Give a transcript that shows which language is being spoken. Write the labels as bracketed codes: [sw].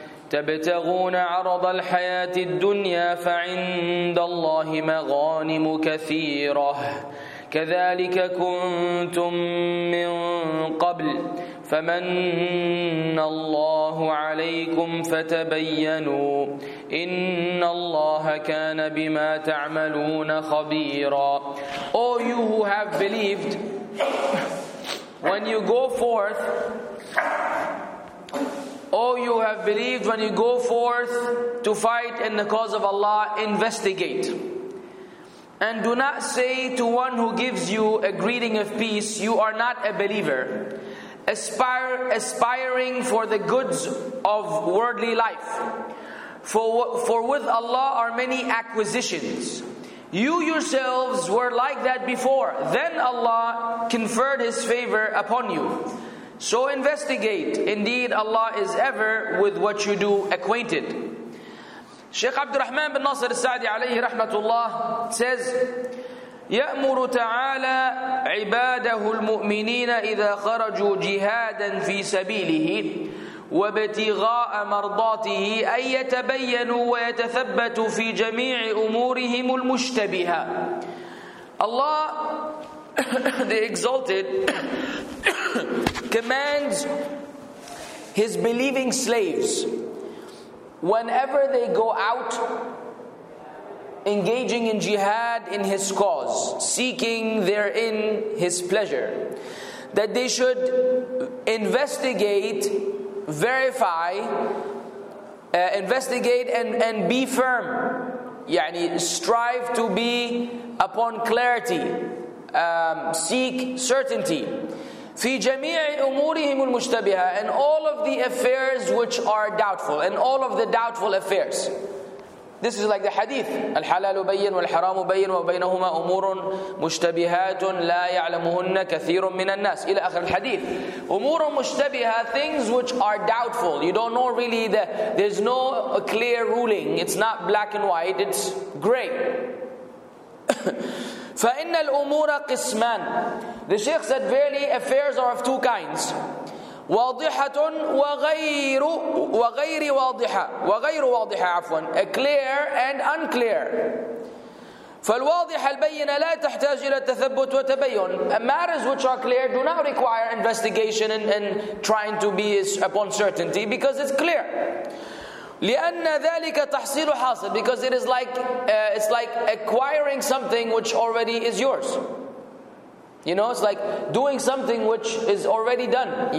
[ar] تبتغون عرض الحياة الدنيا فعند الله مغانم كثيرة كذلك كنتم من قبل فمن الله عليكم فتبينوا إن الله كان بما تعملون خبيرا. [en] O you who have believed, when you go forth, O you who have believed, when you go forth to fight in the cause of Allah, investigate. And do not say to one who gives you a greeting of peace, you are not a believer. Aspiring for the goods of worldly life. For with Allah are many acquisitions. You yourselves were like that before. Then Allah conferred His favor upon you. So investigate. Indeed, Allah is ever with what you do acquainted. [ar] Shaykh Abdul Rahman bin Nasir al-Sa'di alayhi rahmatullah says, يأمر تعالى عباده المؤمنين إذا خرجوا جهادا في سبيله وابتغاء مرضاته أن يتبينوا ويتثبتوا في جميع أمورهم المشتبهة. [en] Allah the exalted commands His believing slaves, whenever they go out engaging in jihad in His cause, seeking therein His pleasure, that they should investigate, verify, investigate and be firm. يعني strive to be upon clarity, seek certainty. [ar] في جميع أمورهم المشتبهة, [en] and all of the affairs which are doubtful, and all of the doubtful affairs. This is like the hadith. [ar] الحلال بين والحرام بين وبينهما أمور مشتبهات لا يعلمهن كثير من الناس إلى آخر الحديث. أمور مشتبهة, [en] things which are doubtful. You don't know really that there's no clear ruling. It's not black and white. It's gray. [ar] فإن الأمور قسمان. [en] The Sheikh said, verily affairs are of two kinds. [ar] واضحة وغير واضحة وغير واضحة عفوا [en] a clear and unclear. [ar] فالواضحة البينة لا تحتاج إلى تثبت وتبين. [en] Matters which are clear do not require investigation and trying to be upon certainty, because it's clear. [ar] لأن ذلك تحصيل حاصل, [en] because it is like it's like acquiring something which already is yours. You know, it's like doing something which is already done.